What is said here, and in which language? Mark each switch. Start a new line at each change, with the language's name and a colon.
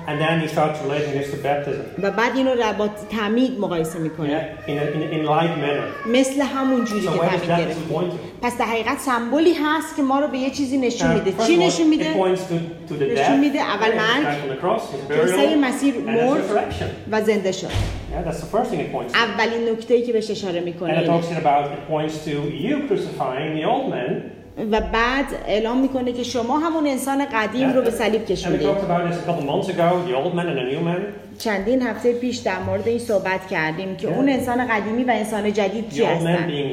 English: And then he starts relating this to baptism.
Persian: و بعد اینو را با تعمید مقایسه میکنه.
English: Yeah. In like manner.
Persian: مثل همون جوری
English: so
Persian: که تعمید گرفته. پس در حقیقت سمبولی هست که ما رو به یه چیزی نشون میده. چی نشون میده؟ نشون میده اول مرگ، عیسی مسیح مرد و زنده شد.
English: Yeah, that's the first thing it points to.
Persian: اولین نکته‌ای که بهش اشاره می‌کنه.
English: And it talks about it points to you crucifying the old man.
Persian: و بعد اعلام می‌کنه که شما همون انسان قدیم رو به صلیب کشیدید.
English: And we talked about this a couple months ago, the old man and the new man.
Persian: چندین هفته پیش در مورد این صحبت کردیم که اون انسان قدیمی و انسان جدید کی هستن.